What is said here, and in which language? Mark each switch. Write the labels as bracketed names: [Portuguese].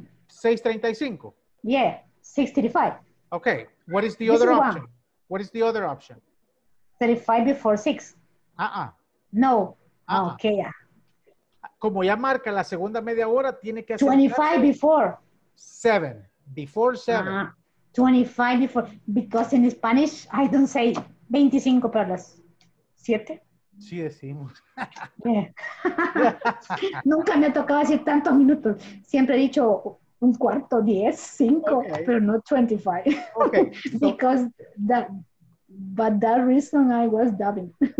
[English] 6:35. Yeah, 6:35. Okay. What is the other option? What is the other option? 35 before 6. Uh-uh. No. Uh-uh. Okay. [Spanish] Como ya marca la segunda media hora, tiene que hacer [English] 25 before 7. Before 7. Uh-huh. 25 before, because in Spanish I don't say [Spanish] 25 para las 7. Sí decimos. Nunca me ha tocado decir tantos minutos. Siempre he dicho un cuarto, diez, cinco, okay. Pero [English] not 25. Okay. Because that, but that reason I was dubbing.